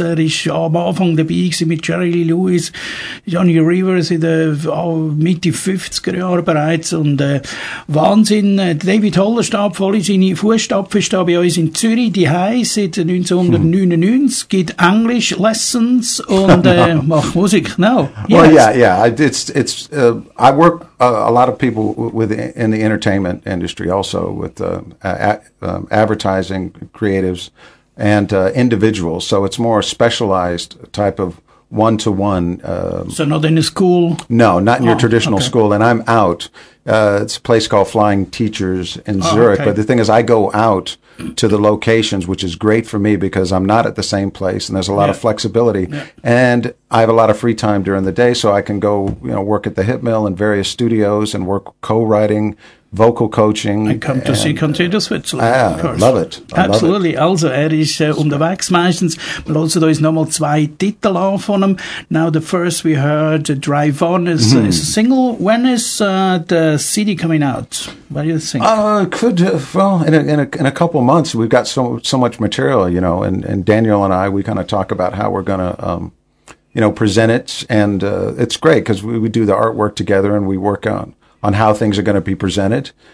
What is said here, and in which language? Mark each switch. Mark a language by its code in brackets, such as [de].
[de] Er ist am Anfang dabei gewesen mit Jerry Lee Lewis, Johnny Rivers in der Mitte 50er Jahre bereits. Und Wahnsinn. David Hollerstab, voll in seine Fußstapfen, ist da bei uns in Zürich, die heisst seit 1999, gibt Englisch Lessons und macht Musik. [en] No. Yes. Well, yeah. I work a lot of people in the entertainment industry also with advertising, creatives, and individuals. So it's more specialized type of one-to-one. So not in a school? No, not in your traditional school. And I'm out. It's a place called Flying Teachers in Zurich. Okay. But the thing is, I go out to the locations, which is great for me because I'm not at the same place and there's a lot of flexibility. Yeah. And I have a lot of free time during the day, so I can go, you know, work at the Hit Mill and various studios and work co-writing, vocal coaching. And come to see Country to Switzerland, of course. Love it. Absolutely. [de] Also, er ist unterwegs meistens. Wir hören da nochmal zwei Titel an von ihm. [en] Now, the first we heard, Drive On, is a single. When is the CD coming out? What do you think? In a couple months. We've got so much material, you know, and Daniel and I, we kind of talk about how we're going to present it, and it's great because we do the artwork together and we work on how things are going to be presented.